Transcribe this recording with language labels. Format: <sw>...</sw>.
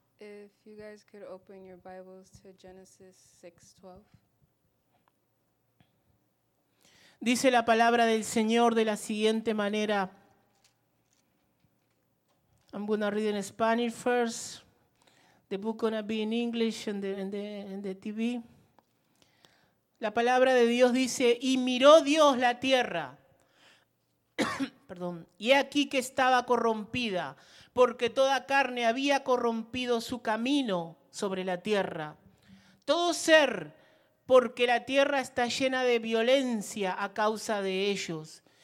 <en>If you guys could open your Bibles to Genesis 6:12.</en> <es>Dice la palabra del Señor de la siguiente manera.</es> <en>I'm going to read in Spanish first. The book going to be in English and the TV.</en> <es>La palabra de Dios dice, y miró Dios la tierra. Perdón. Y aquí que estaba corrompida, porque toda carne había corrompido su camino sobre la tierra. Todo ser, porque la tierra está llena de violencia a causa de ellos.</es>